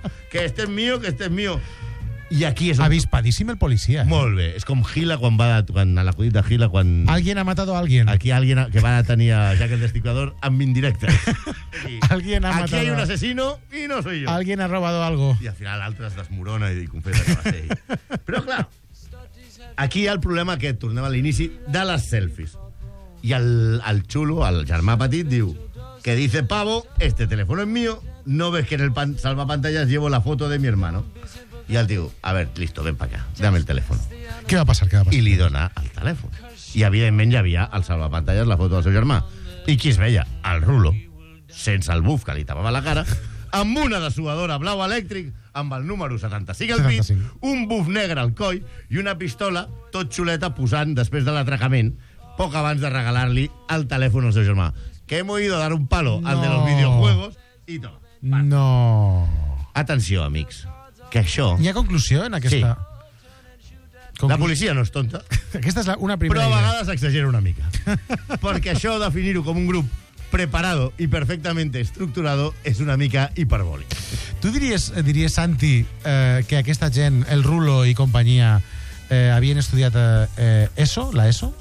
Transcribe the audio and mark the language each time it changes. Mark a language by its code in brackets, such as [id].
[es] Que este es mío, que este es mío. [ca] I aquí és... Avispadíssim el policia. Molt bé. És com Gila quan va... Quan a l'acudit de Gila, quan... [es] Alguien ha matado a alguien. [ca] Aquí alguien que va detenir a Jack el Destripador amb indirecte. [es] Alguien ha matado... Aquí hay un asesino y no soy yo. Alguien ha robado algo. [ca] I al final l'altre es desmorona i confessa que va ser ell. Però, clar, aquí hi ha el problema que tornem a l'inici de les selfies. I el xulo, el germà petit, diu... [es] Que dice, pavo, este teléfono es mío, no ves que en el salvapantallas llevo la foto de mi hermano. [ca] I [es] el tio, a ver, listo, ven pa acá, dame el teléfono. ¿Qué va a pasar? ¿Qué va a pasar? [ca] I li dona el teléfono. I evidentment ja havia al salvapantalles la foto del seu germà. I qui es veia? El rulo, sense el buf que li tapava la cara, amb una dessuadora blau elèctric, amb el número 75 al pit, un buf negre al coll i una pistola tot xuleta posant després de l'atracament, poc abans de regalar-li el telèfon al seu germà. [es] Que hem oído dar un palo al de los videojuegos [ca] i tot. [es] No. [ca] Atenció, amics. Que això... Hi ha conclusió en aquesta... Sí. La policia no és tonta. Aquesta és una primera idea. Però a vegades exagera una mica. Perquè això, definir-ho com un grup [es] preparado y perfectamente estructurado, [ca] és una mica hiperbòlic. Tu diries Santi, que aquesta gent, el Rulo i companyia, havien estudiat ESO, la ESO?